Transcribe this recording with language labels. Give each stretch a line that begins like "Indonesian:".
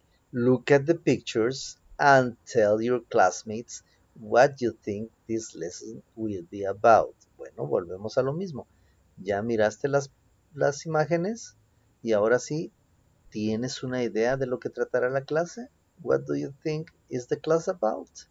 English: Look at the pictures and tell your classmates what you think this lesson will be about.
Spanish: Bueno, volvemos a lo mismo. Ya miraste las imágenes y ahora sí, ¿tienes una idea de lo que tratará la clase?
English: What do you think is the class about?